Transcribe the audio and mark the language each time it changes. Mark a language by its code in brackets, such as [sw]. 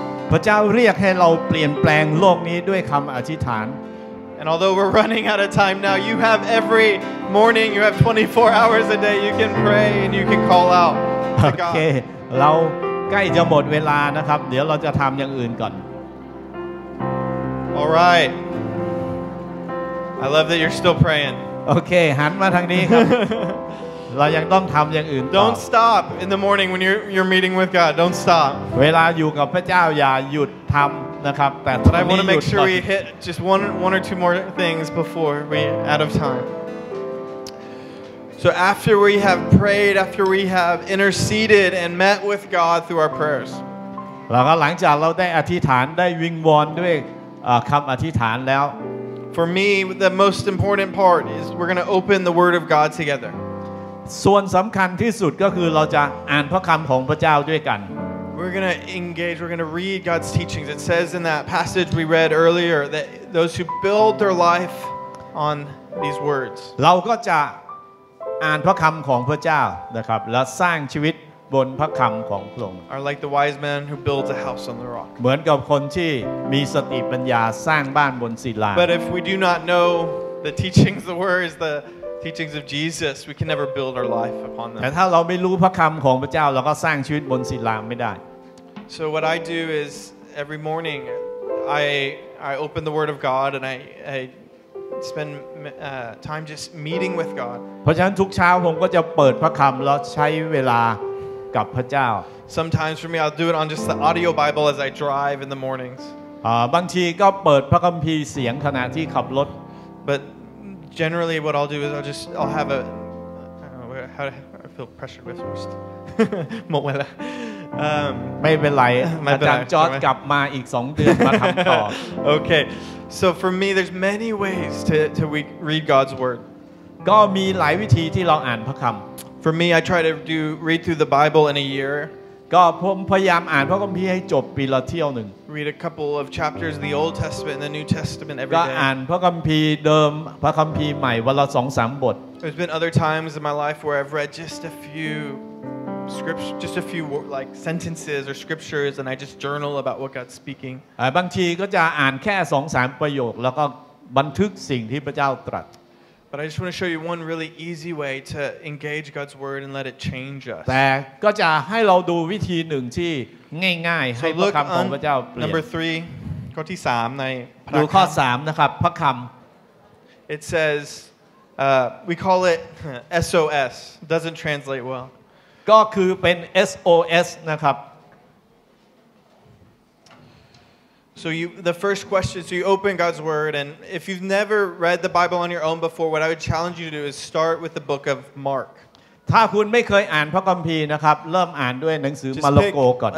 [th] พระเจ้าเรียกให้เราเปลี่ยนแปลงโลกนี้ด้วยคำอธิษฐาน [en] And although we're running out of time now, you have every morning, you have 24 hours a day, you can pray and you can call out to God. [th] Okay, เราใกล้จะหมดเวลานะครับเดี๋ยวเราจะทำอย่างอื่นก่อน [en] All right. I love that you're still praying. [th] Okay, หันมาทางนี้ครับเรายังต้องทำอย่างอื่นต่อ [en] Don't stop in the morning when you're meeting with God. Don't stop. [th] เวลาอยู่กับพระเจ้าอย่าหยุดทำนะครับแต่ [en] But I want to make sure we hit just one or two more things before we out of time. So after we have prayed, after we have interceded and met with God through our prayers. [th] แล้วก็หลังจากเราได้อธิษฐานได้วิงวอนด้วยคำอธิษฐานแล้ว [en] For me the most important part is we're going to open the word of God together. [th] ส่วนสำคัญที่สุดก็คือเราจะอ่านพระคำของพระเจ้าด้วยกัน [en] We're going to engage we're going to read God's teachings it says in that passage we read earlier that those who build their life on these words [th] เราก็จะอ่านพระคำของพระเจ้านะครับและสร้างชีวิตบนพระคำของพระองค์ [en] Are like the wise man who builds a house on the rock [th] เหมือนกับคนที่มีสติปัญญาสร้างบ้านบนศิลา [en] But if we do not know the teachings the words theteachings of Jesus we can never build our life upon them [th] แต่ถ้าเราไม่รู้พระคำของพระเจ้าเราก็สร้างชีวิตบนศิลาไม่ได้ [en] So what I do is every morning I open the word of God and I spend time just meeting with God [th] เพราะฉะนั้นทุกเช้าผมก็จะเปิดพระคำแล้วใช้เวลากับพระเจ้า [en] Sometimes for me I'll do it on just the audio Bible as I drive in the mornings [th] บางทีก็เปิดพระคัมภีร์เสียงขณะที่ขับรถ [en] butGenerally, what I'll do is I'll have a. I don't know, how do I feel pressured with first? Mo wela. [th] ไม่เป็นไรอาจารย์จอร์จกลับมาอีก2เดือนมาทําต่อ [en] โอเค so for me there's many ways to we read God's word [th] ก็มีหลายวิธีที่เราอ่านพระคํา [en] for me I try to do read through the Bible in a year [th] ก็ผมพยายามอ่านพระคัมภีร์ให้จบปีละเที่ยวนึง [en] read a couple of chapters in the Old Testament and the New Testament every day [th] ก็อ่านพระคัมภีร์เดิมพระคัมภีร์ใหม่วันละ 2-3 บท [en] there's been other times in my life where I've read just a fewscripture just a few like sentences or scriptures and I just journal about what God's speaking [th] บางทีก็จะอ่านแค่ 2-3 ประโยคแล้วก็บันทึกสิ่งที่พระเจ้าตรัส [en] But I just want to show you one really easy way to engage God's word and let it change us [th] แต่ก็จะให้เราดูวิธีหนึ่งที่ง่ายๆให้พระคําของพระเจ้าเปลี่ยน [en] Number 3 [th] ข้อที่3ใน ดูข้อ3นะครับพระคํา [en] It says we call it SOS doesn't translate well [th] ก็คือเป็น SOS นะครับ [en] So you the first question so you open God's word and if you've never read the Bible on your own before what I would challenge you to do is start with the book of Mark [th] ถ้าคุณไม่เคยอ่านพระคัมภีร์นะครับเริ่มอ่านด้วยหนังสือมาระโกก่อน